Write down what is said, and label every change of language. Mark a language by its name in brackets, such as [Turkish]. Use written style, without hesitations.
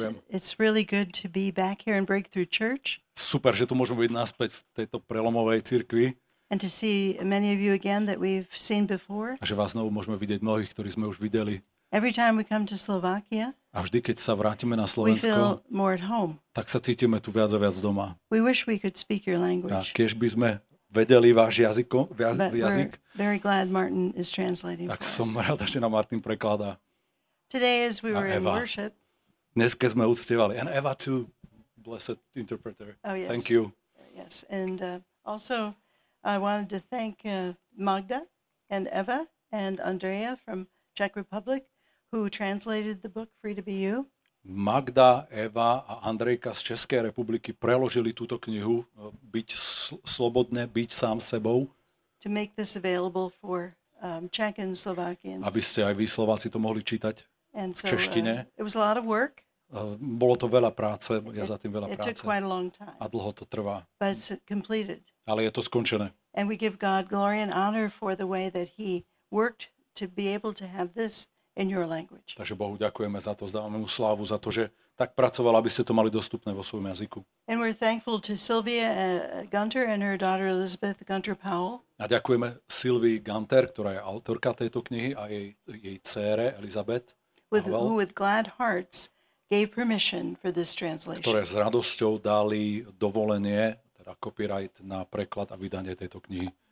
[English] It's really good to be back here in Breakthrough Church. [Slovak] Super, že tu môžeme byť naspäť v tejto prelomovej cirkvi. [English] And to see many of you again that we've seen before. [Slovak] A že vás znovu môžeme vidieť mnohých, ktorí sme už videli. [English] Every time we come to Slovakia, [Slovak] a vždy, keď sa vrátime na Slovensko, [English] we feel more at home. [Slovak] Tak sa cítime tu viac a viac doma. [English] We wish we could speak your language. [Slovak] A kiež by sme vedeli váš jazyk. [English] But very glad Martin is translating. [Slovak] Tak som rád, že nám Martin prekladá. [English] Today as we were in worship. [Slovak] Dnes, keď sme uctievali. [English] And Eva too, blessed interpreter. Oh, yes. Thank you. Yes, and also I wanted to thank Magda and Eva and Andrea from Czech Republic who translated the book Free to Be You. [Slovak] Magda, Eva a Andrejka z Českej republiky preložili túto knihu Byť slobodné, byť sám sebou. [English] To make this available for Czech and Slovakians. [Slovak] Aby ste aj vy Slováci to mohli čítať v češtine. [English] It was a lot of work. [Slovak] Bolo to veľa práce, ja za tým veľa práce. [English] It took quite a long time. [Slovak] A dlho to trvá. [English] But it's completed. [Slovak] Ale je to skončené. [English] And we give God glory and honor for the way that he worked to be able to have this in your language. [Slovak] Takže Bohu ďakujeme za to, zdávame mu slávu za to, že tak pracoval, aby ste to mali dostupné vo svojom jazyku. [English] And we're thankful to Sylvia Gunter and her daughter Elizabeth Gunter Powell. [Slovak] A ďakujeme Sylvie Gunter, ktorá je autorka tejto knihy, a jej dcére Elizabeth [English] Powell, who with glad hearts gave permission for this translation. [Slovak] Ktoré s radosťou dali dovolenie a copyright na preklad a vydanie tejto knihy.